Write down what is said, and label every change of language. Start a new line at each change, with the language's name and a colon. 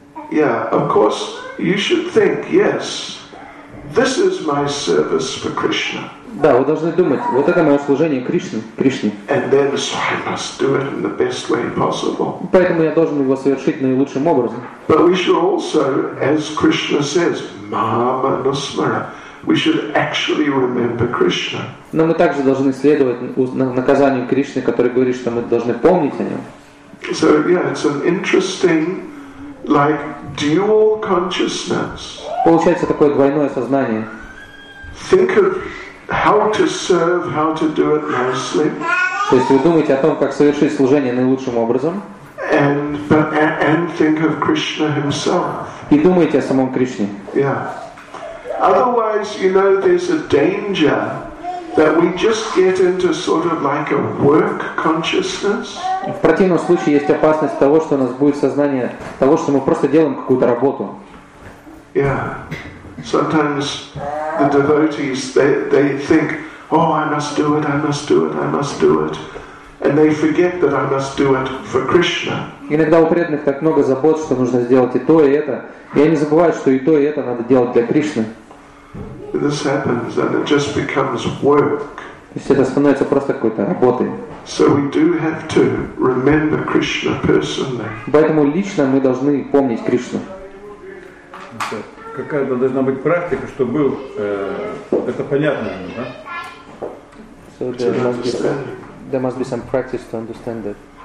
English: Yeah, of course, you should think, yes. This is my service for Krishna.
Russian: Да, вы должны думать, вот это мое служение Кришне.
English: And then I must do it in the best way possible.
Russian: Поэтому я должен его совершить наилучшим образом.
English: But we should also, as Krishna says,
Sanskrit: mama nusmara,
English: we should actually remember Krishna.
Russian: Но мы также должны следовать наказанию Кришны, который говорит, что мы должны помнить о нем.
English: So yeah, it's an interesting, like dual consciousness.
Russian: Получается такое двойное сознание.
English: Think of how to serve, how to do it nicely.
Russian: То есть вы думаете о том, как совершить служение наилучшим образом.
English: And think of Krishna himself.
Russian: И думаете о самом Кришне.
English: Yeah. Otherwise, you know, there's a danger that we just get into sort of like a work consciousness.
Russian: В противном случае есть опасность того, что у нас будет сознание того, что мы просто делаем какую-то работу.
English: Yeah. Sometimes the devotees they think, oh, I must do it, I must do it, I must do it, and they forget that I must do it for Krishna.
Russian: Иногда у преданных так много забот, что нужно сделать и то и это, и они забывают, что и то и это надо делать для Кришны.
English: This happens, and it just becomes work.
Russian: То есть это становится просто какой-то работой.
English: So we do have to remember Krishna personally.
Russian: Поэтому лично мы должны помнить Кришну. Какая-то должна быть практика, чтобы был это понятно, да?
English: So there must be some practice to understand that.